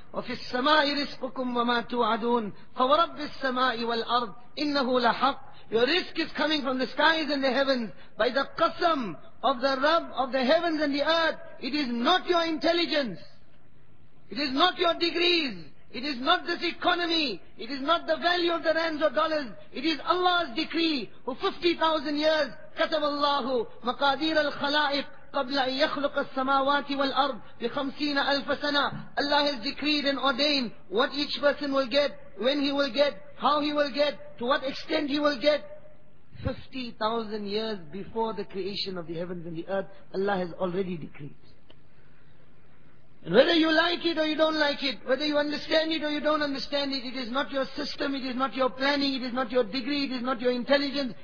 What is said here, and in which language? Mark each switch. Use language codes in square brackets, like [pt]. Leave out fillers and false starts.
[ar] وَفِي السَّمَاءِ رِزْقُكُمْ وَمَا تُوَعَدُونَ فَوَرَبِّ السَّمَاءِ وَالْأَرْضِ إِنَّهُ لَحَقٌّ. [en] Your risk is coming from the skies and the heavens. By the qasam of the Rabb of the heavens and the earth, it is not your intelligence. It is not your degrees. It is not this economy. It is not the value of the rands or dollars. It is Allah's decree. For 50,000 years, [ar] كَتَبَ اللَّهُ مَقَادِيرَ الْخَلَائِقِ قَبْلَ أَن يَخْلُقَ السَّمَاوَاتِ وَالْأَرْضِ بِخَمْسِينَ أَلْفَ سَنَةٍ. [en] Allah has decreed and ordained what each person will get, when he will get, how he will get, to what extent he will get. 50,000 years before the creation of the heavens and the earth, Allah has already decreed. And whether you like it or you don't like it, whether you understand it or you don't understand it, it is not your system, it is not your planning, it is not your degree, it is not your intelligence.